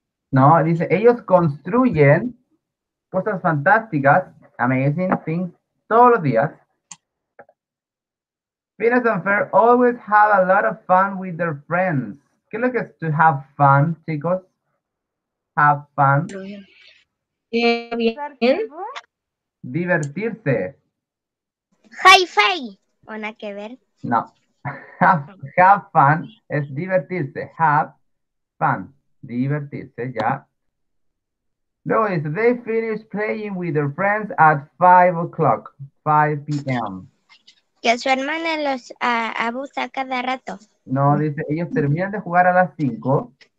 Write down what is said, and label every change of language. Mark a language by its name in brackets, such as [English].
[Spanish] No, dice, ellos construyen cosas fantásticas, amazing things, todos los días. [English] Phineas and Ferb always have a lot of fun with their friends. [Spanish] ¿Qué es lo que es to have fun, chicos? [English] Have fun. [Spanish] Bien. Divertirse. Hi-fi. ¿Una que ver? No. Have fun es divertirse. Have fun. Divertirse, ya. Luego dice, they finish playing with their friends at 5 o'clock, 5 p.m. Que su hermana los abusa cada rato. No, dice, ellos terminan de jugar a las 5.